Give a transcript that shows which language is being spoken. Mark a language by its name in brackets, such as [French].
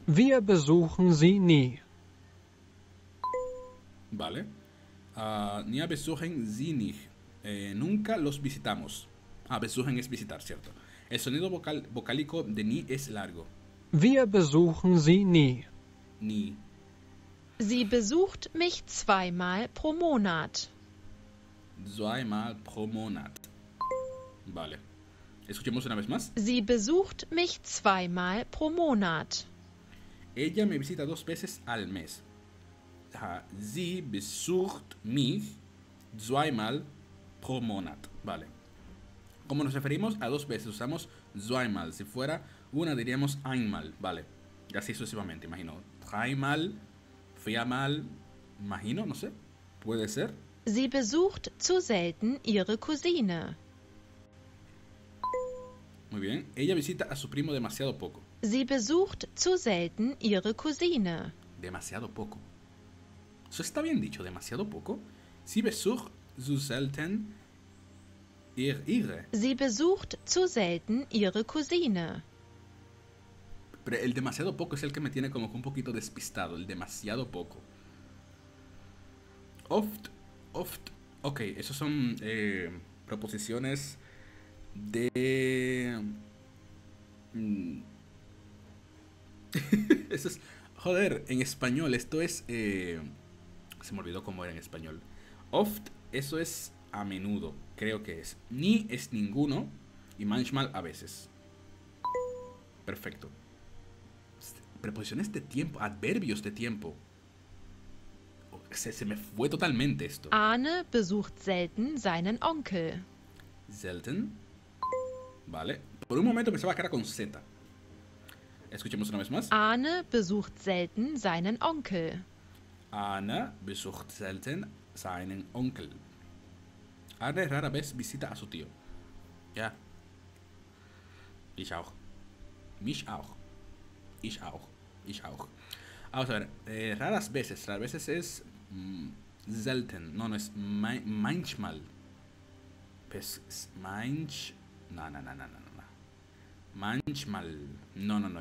[German] Wir besuchen Sie nie. [Spanish] Vale. [German] Nie besuchen Sie nicht. [Spanish] Nunca los visitamos. Ah, besuchen es visitar, cierto. El sonido vocálico de ni es largo. [German] Wir besuchen Sie nie. Ni. Sie besucht mich zweimal pro Monat. Zweimal pro Monat. [Spanish] Vale. Escuchemos una vez más. [German] Sie besucht mich zweimal pro Monat. [Spanish] Ella me visita dos veces al mes. [German] Sie besucht mich zweimal pro Monat. [Spanish] Vale. Como nos referimos a dos veces, usamos zweimal. Si fuera una, diríamos einmal. Vale. Y así sucesivamente, imagino. Dreimal, viermal, imagino, no sé. Puede ser. [German] Sie besucht zu selten ihre Cousine. [Spanish] Muy bien. Ella visita a su primo demasiado poco. [German] Sie besucht zu selten ihre Cousine. [Spanish] Demasiado poco. Eso está bien dicho, demasiado poco. [German] Sie besucht zu selten ihre. Sie besucht zu selten ihre Cousine. [Spanish] Pero el demasiado poco es el que me tiene como que un poquito despistado. El demasiado poco. Oft, oft. Ok, esos son proposiciones de... Eso es... Joder, en español esto es... se me olvidó cómo era en español. Oft, eso es a menudo, creo que es. Ni es ninguno y manchmal a veces. Perfecto. Preposiciones de tiempo, adverbios de tiempo. Se me fue totalmente esto. [German] Arne besucht selten seinen Onkel. [Spanish] Selten. Vale. Por un momento pensaba que era con Z. Escuchemos una vez más. [German] Arne besucht selten seinen Onkel. Arne besucht selten seinen Onkel. [Spanish] Arne rara vez visita a su tío. [German] Ja. Ich auch. Mich auch. Ich auch. [Spanish] Ich auch. Vamos a ver. Raras veces. Raras veces es... selten. No, no es... manchmal. Pues... manch... No, no, no, no, no, no. Manchmal. No, no, no.